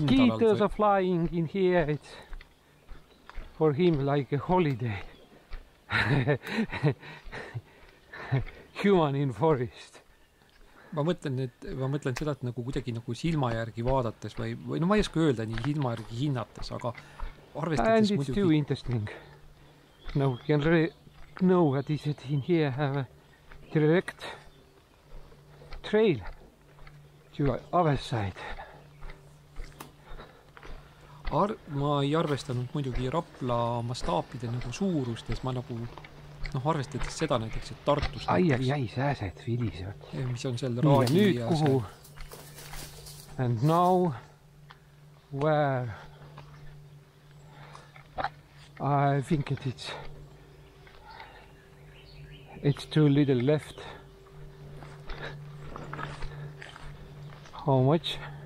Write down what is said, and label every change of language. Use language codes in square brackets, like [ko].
[en] Mosquitoes are flying in here. It's for him like a holiday. Human in forest. [et] Ma mõtlen seda, et nagu kuidagi nagu silmajärgi vaadates või no ma ei oska öelda nii silmajärgi hinnates, aga arvestades muidugi. [en] And it's too interesting. Now we can know that is it in here have a direct trail to other side. [et] Ma ei arvestanud muidugi Rapla mastaapide nagu suurustes, ma nagu arvestades seda näiteks, et Tartus ai, sääsed vilisevad mis on selle raadi ja nüüd kuhu [en] and now where I think it's too little left How much?